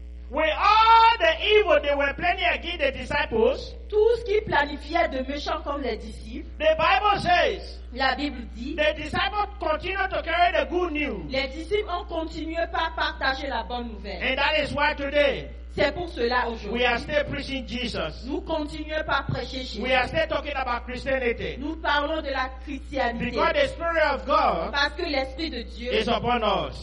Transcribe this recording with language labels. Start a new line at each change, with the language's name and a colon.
English: With all the evil they were planning against the disciples.
French: Tout ce qu'ils planifiaient de méchants contre les disciples.
English: The Bible says.
French: La Bible dit.
English: The disciples continue to carry the good news.
French: Les disciples ont continué à partager la bonne nouvelle.
English: And that is why today.
French: C'est pour cela aujourd'hui.
English: We are still preaching Jesus.
French: Nous continuons par prêcher Jésus.
English: We are still talking about Christianity.
French: Nous parlons de la chrétienté.
English: Because the Spirit of God.
French: Parce que l'Esprit de Dieu.
English: Is upon us.